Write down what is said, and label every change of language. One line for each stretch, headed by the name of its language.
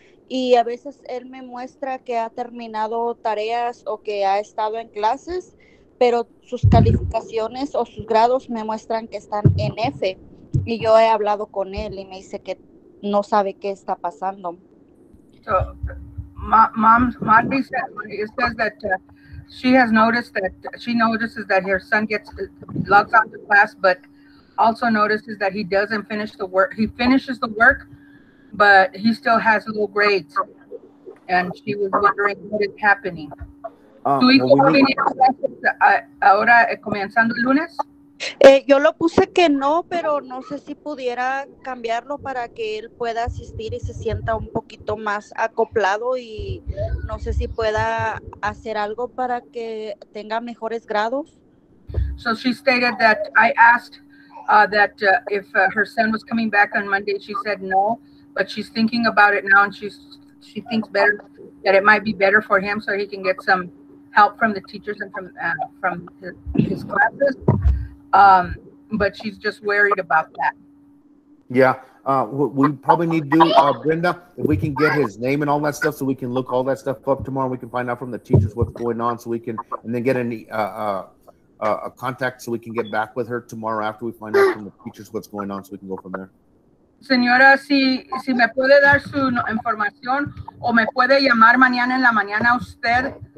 Spanish: Y a veces él me muestra que ha terminado tareas o que ha estado en clases, pero sus calificaciones o sus grados me muestran que están en F. Y yo he hablado con él y me dice que no sabe qué está pasando.
English: So, Marty says that she has noticed that she notices that her son gets logs on to class, but also notices that he doesn't finish the work. He finishes the work, but he still has low grades, and she was wondering what is happening.
Spanish: ¿Tu hijo ha venido a clases ahora comenzando el lunes? Yo lo puse que no, pero no sé si pudiera cambiarlo para que él pueda asistir y se sienta un poquito más acoplado, y no sé si pueda hacer algo para que tenga mejores grados.
English: So she stated that I asked that if her son was coming back on Monday. She said no. But she's thinking about it now, and she thinks better that it might be better for him so he can get some help from the teachers and from his classes. But she's just worried about that. Yeah, we probably need to, Brenda, if we can get his name and all that stuff, so we can look all that stuff up tomorrow. We can find out from the teachers what's going on, so we can, and then get a contact so we can get back with her tomorrow after we find out from the teachers what's going on, so we can go from there.
Spanish: Señora, si me puede dar su información o me puede llamar mañana en la mañana usted